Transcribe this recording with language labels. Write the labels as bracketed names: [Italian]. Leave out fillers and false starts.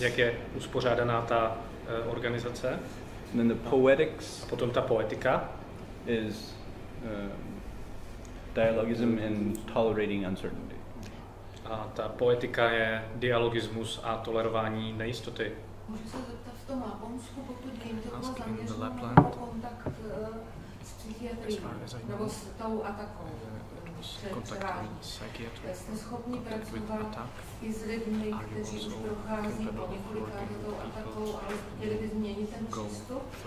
[Czech] Jak je uspořádaná ta organizace. [English] And then the poetics. [Czech] A potom ta poetika. [English] Is dialogism and tolerating uncertainty. [Czech] A ta poetika je dialogismus a tolerování nejistoty. Můžu se zeptat v tom Laponsku, pokud vím, to bylo zaměřeno na kontakt s psychiatrií, nebo s tou atakou, předcerání. Jste schopni pracovat i s lidmi, kteří už prochází po několikátě tou atakou, ale chtěli by změnit ten přístup?